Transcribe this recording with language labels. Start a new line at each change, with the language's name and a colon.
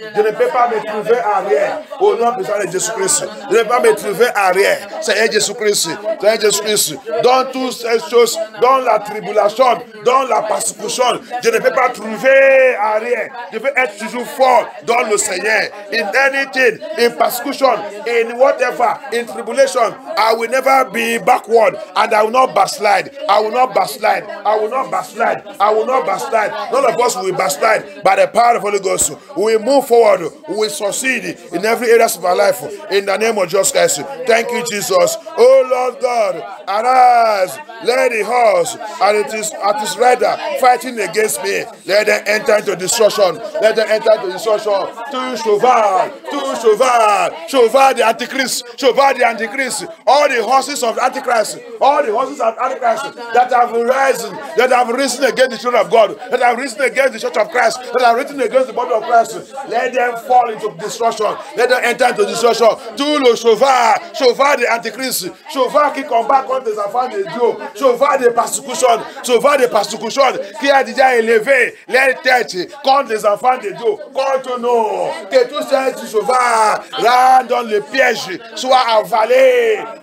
French: Je ne peux pas me trouver à rien. Au nom de Jésus Christ. Je ne vais pas me trouver à rien. Seigneur Jésus Christ. Seigneur Jésus Christ. Dans toutes ces choses, dans la tribulation, dans la persécution, je ne peux pas trouver à rien. Je veux être toujours fort dans le Seigneur.
English: In anything, in persecution, in whatever, in tribulation, I will never be backward and I will not backslide. I will not backslide. I will not backslide. I will not backslide. None of us will backslide by the power of the Holy Ghost. We move forward. We succeed in every area of our life. In the name of Jesus Christ. Thank you, Jesus. Oh, Lord God, arise. Let the horse and at his rider fighting against me, let them enter into destruction. Let them enter into destruction. To cheval. Cheval the Antichrist. Cheval the Antichrist. All the horses of Antichrist. All the horses of Antichrist that have risen against the children of God, that have risen against the church of Christ, that have risen against the body of Christ, let them fall into destruction. Let them enter into destruction.
French: Tout le chauffard de l'Antichrist, chauffard qui combat contre les enfants de Dieu, chauffard de persécution qui a déjà élevé les têtes contre les enfants de Dieu, contre nous, que tous ces chauffards là dans le piège soient avalés